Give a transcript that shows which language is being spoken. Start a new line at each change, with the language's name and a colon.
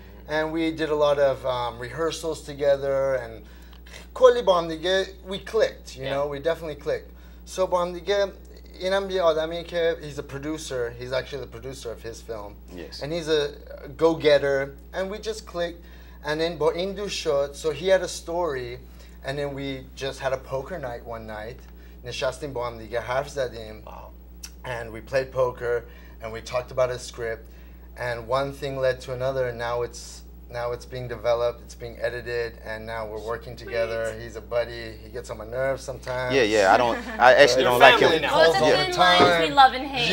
English: And we did a lot of rehearsals together, and
Persian: کلی با هم دیگه
English: we clicked, you know, we definitely clicked. So
Persian: با هم دیگه اینم یه آدمیه که
English: he's a producer, he's actually the producer of his film. Yes. And he's a go-getter, and we just clicked, and then
Persian: با این دو شد.
English: So he had a story, and then we just had a poker night one night.
Persian: نشستیم با هم دیگه حرف زدیم.
English: Wow. And we played poker, and we talked about a script, and one thing led to another, and now it's being developed, it's being edited, and now we're working together. Sweet. He's a buddy. He gets on my nerves sometimes. Yeah, I actually don't like him. Both of them in time. Lines, we love and hate.